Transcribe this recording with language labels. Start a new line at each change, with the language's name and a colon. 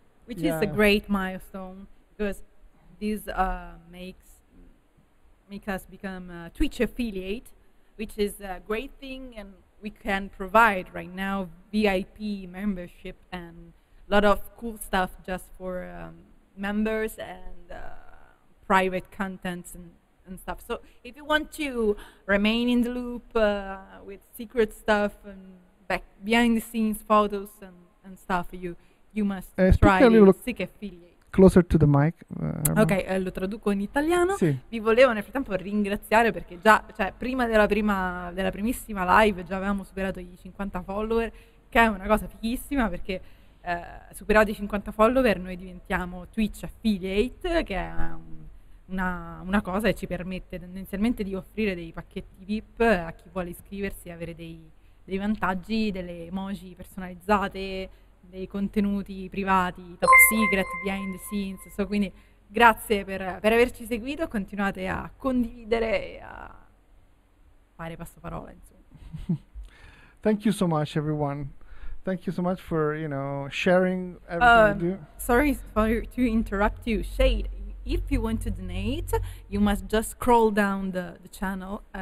English: which is a great milestone, because this makes us become a Twitch affiliate, which is a great thing, and we can provide right now VIP membership and a lot of cool stuff just for members and private contents and stuff. So if you want to remain in the loop with secret stuff and back behind the scenes photos and stuff, you must try Sick Affiliate. Closer to the mic.
Italian: Ok, lo traduco in italiano. Sì. Vi volevo nel frattempo ringraziare perché già, cioè, prima della primissima live già avevamo superato i 50 follower, che è una cosa fighissima perché superati i 50 follower noi diventiamo Twitch Affiliate, che è una cosa che ci permette tendenzialmente di offrire dei pacchetti VIP a chi vuole iscriversi e avere dei vantaggi, delle emoji personalizzate, dei contenuti privati, top secret,
English: behind the scenes.
Italian: So, quindi grazie per averci seguito, continuate a condividere e a fare passaparola, insomma.
English: Thank you so much, everyone. Thank you so much for, you know, sharing everything. Sorry to interrupt you, Shade. If you want to donate, you must just scroll down the channel.